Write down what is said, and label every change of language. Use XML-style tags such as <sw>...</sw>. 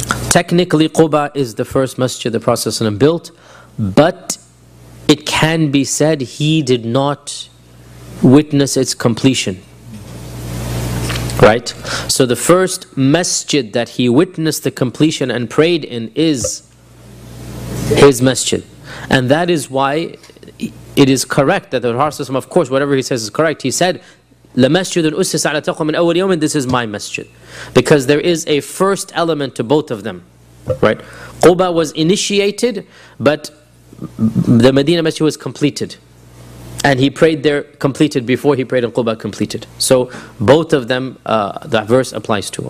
<en>Technically, Quba is the first masjid the Prophet ﷺ built, but it can be said he did not witness its completion. Right? So the first masjid that he witnessed the completion and prayed in is his masjid. And that is why it is correct that the Prophet ﷺ, of course, whatever he says is correct. He said,</en> <ar>لَمَسْجُدٌ أُسِّسَ عَلَى تَقْوَى مِنْ أَوَّلِ يَوْمٍ.</ar> <en>This is my masjid. Because there is a first element to both of them. Right? Quba was initiated, but the Medina masjid was completed. And he prayed there completed before he prayed in Quba completed. So both of them, that verse applies to.</en>